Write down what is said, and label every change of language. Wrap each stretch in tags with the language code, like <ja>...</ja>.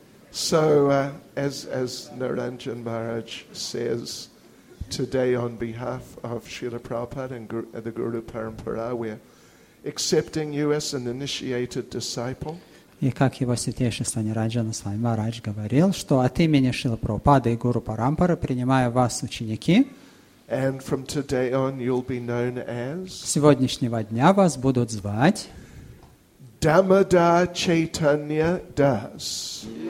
<en>So as Niranjan Maharaj says, today on behalf of Srila Prabhupada and the Guru Parampara, we're accepting you as an initiated disciple.</en> <ru>И как его святейшество Нираджана Свами Марадж говорил, что от имени Шрилы Прабхупады и Гуру Парампары принимаю вас, ученики.</ru> <en>And from today on you'll be known as...</en> <ru>С сегодняшнего дня вас будут звать... Дамода Чайтанья Дас.</ru>